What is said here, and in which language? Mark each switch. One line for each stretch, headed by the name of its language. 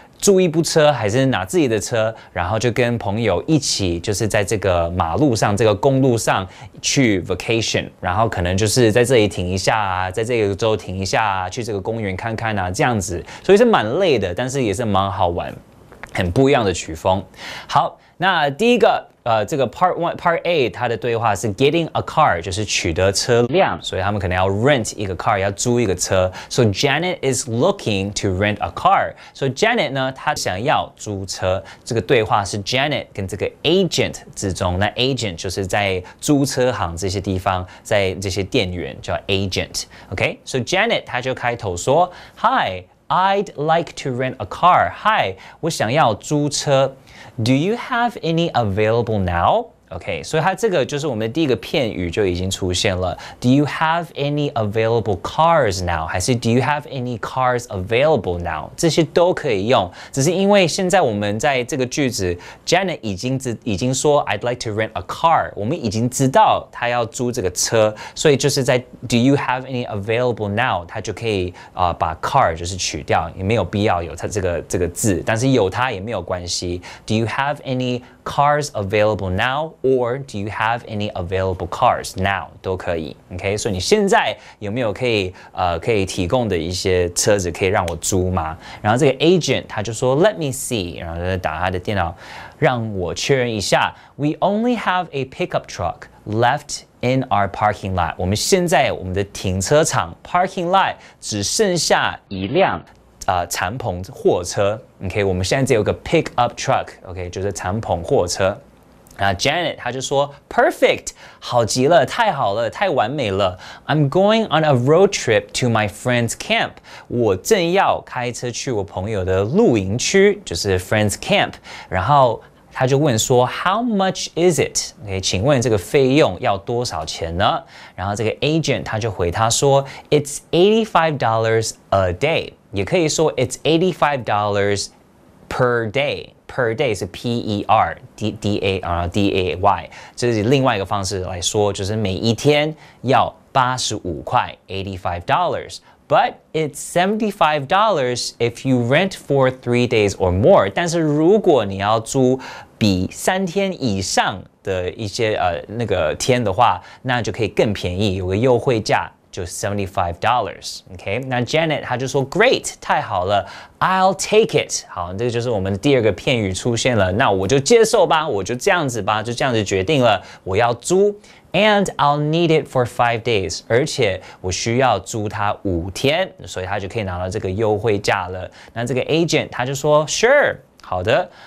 Chinese: 租一部车还是拿自己的车，然后就跟朋友一起，就是在这个马路上、这个公路上去 vacation， 然后可能就是在这里停一下啊，在这个州停一下啊，去这个公园看看啊，这样子，所以是蛮累的，但是也是蛮好玩，很不一样的曲风。好，那第一个。这个 part A 它的对话是
English: getting a car，
Chinese: 就是取得车辆，所以他们可能要 rent 一个 car， 要租一个车。
English: So Janet is looking to rent a car.
Chinese: So Janet 呢，她想要租车。这个对话是 Janet 跟这个 agent 之中，那 agent 就是在租车行这些地方，在这些店员叫 agent。
English: OK， so Janet
Chinese: 她就开头说
English: ，Hi， I'd like to rent a car.
Chinese: Hi， 我想要租车。
English: Do you have any available now?
Chinese: OK, 所以它这个就是我们的第一个片语就已经出现了。
English: Do you have any available cars now? 还是 Do you have any cars available now?
Chinese: 这些都可以用，只是因为现在我们在这个句子 ，Janet 已经说
English: I'd like to rent a car，
Chinese: 我们已经知道她要租这个车，所以就是在
English: Do you have any available now?
Chinese: 它就可以、把 car 就是取掉，也没有必要有它这个字，但是有它也没有关系。
English: Do you have any cars available now? Or do you have any available cars now?
Chinese: 都可以 ，OK。所以你现在有没有可以提供的一些车子可以让我租吗？然后这个 agent 他就说 ，
English: Let me see，
Chinese: 然后就打他的电脑，让我确认一下。
English: We only have a pickup truck left in our parking lot。
Chinese: 我们现在我们的停车场 parking lot 只剩下一辆。敞篷货车 ，OK。我们现在只有个 pickup truck，OK，、okay? 就是敞篷货车。那 Janet 她就说 Perfect， 好极了，太好了，太完美了。
English: I'm going on a road trip to my friend's camp。
Chinese: 我正要开车去我朋友的露营区，就是 friend's camp。然后她就问说
English: How much is it？
Chinese: Okay, 请问这个费用要多少钱呢？然后这个 agent 她就回她说
English: It's $85 a day。也可以说 It's $85 per day。
Chinese: per day 是 PER DAY， 这是另外一个方式来说，就是每一天要85块 $85。
English: But it's $75 if you rent for 3 days or more.
Chinese: 但是如果你要租比三天以上的一些那个天的话，那就可以更便宜，有个优惠价，就$75。 Okay, 那 Janet 她就说 Great, 太好了 ，
English: I'll take it.
Chinese: 好，这个就是我们的第二个片语出现了。那我就接受吧，我就这样子吧，就这样子决定了，我要租。
English: And I'll need it for 5 days.
Chinese: 而且我需要租它5天，所以他就可以拿到这个优惠价了。那这个 agent 他就说 ，Sure, 好的。